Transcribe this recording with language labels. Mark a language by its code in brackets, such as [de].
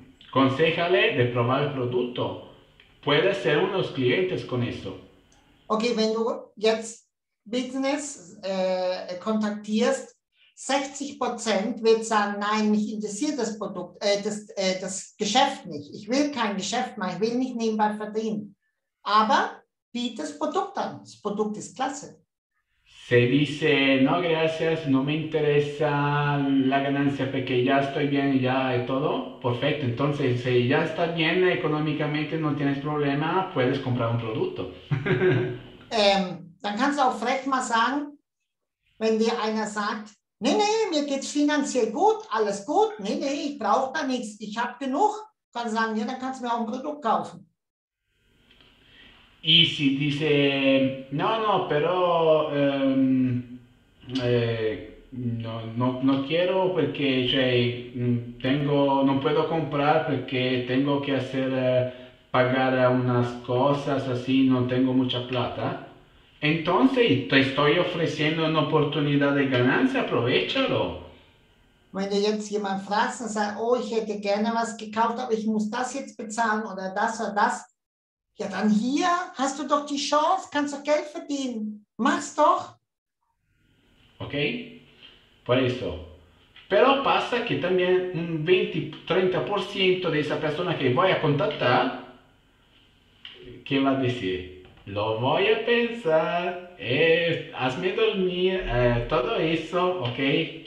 [es] Consejale de probar el producto. Puede ser unos clientes con eso. [de] Okay, wenn du jetzt Business kontaktierst, 60% wird sagen, nein, mich interessiert das Produkt, das Geschäft nicht. Ich will kein Geschäft machen, ich will nicht nebenbei verdienen. Aber biete das Produkt an. Das Produkt ist klasse. [es] Se dice, no gracias, no me interesa la ganancia porque ya estoy bien y ya es todo. Perfecto, entonces si ya está bien económicamente, no tienes problema, puedes comprar un producto. [de] Dann kannst du auch frech mal sagen, wenn dir einer sagt, nee, mir geht's finanziell gut, alles gut, nee, ich brauche da nichts, ich habe genug, kannst sagen, ja, dann kannst du mir auch ein Produkt kaufen. [es] Y si dice, no, pero no quiero porque cioè, no puedo comprar porque tengo que hacer pagar unas cosas así, no tengo mucha plata. Entonces te estoy ofreciendo una oportunidad de ganancia, aprovechalo. [de] Wenn du jetzt jemand fragst und sagst, oh, ich hätte gerne was gekauft, aber ich muss das jetzt bezahlen oder das, ja, dann hier hast du doch die Chance, kannst doch Geld verdienen. Mach's doch. [es] Okay, por eso. Pero pasa que también un 20-30% de esa persona que voy a contactar, ¿qué va a decir? Lo voy a pensar, hazme dormir, todo eso, ok.